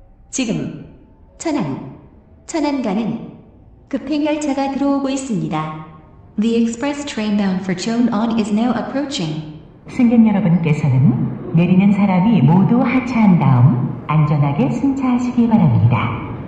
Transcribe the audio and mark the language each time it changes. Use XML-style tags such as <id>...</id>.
<ko>지금 천안 가는 급행열차가 들어오고 있습니다.</ko> <en>The express train bound for Cheonan is now approaching.</en> <ko>승객 여러분께서는 내리는 사람이 모두 하차한 다음 안전하게 승차하시기 바랍니다.</ko>